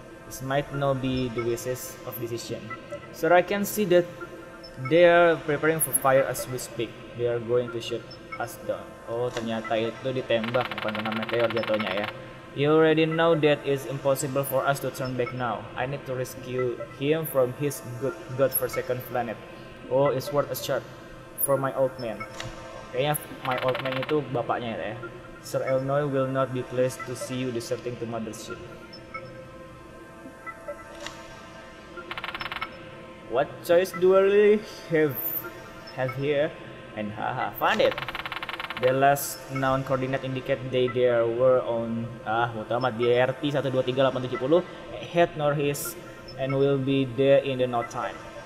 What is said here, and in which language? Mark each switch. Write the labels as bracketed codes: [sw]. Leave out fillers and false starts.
[en] This might not be the wisest of decision. So I can see that they are preparing for fire as we speak. They are going to shoot us down. [id] Oh, ternyata itu ditembak, bukan kena meteor jatuhnya ya. [en] You already know that it's impossible for us to turn back now. I need to rescue him from his godforsaken planet. Oh, it's worth a shot for my old man. [id] Kayaknya [en] my old man [id] itu bapaknya ya. [en] Sir Elnoy will not be pleased to see you deserting to mothership. What choice do I really have here? And haha, find it. The last known coordinate indicate they there were on DRT 123870 head northeast and will be there in the no time.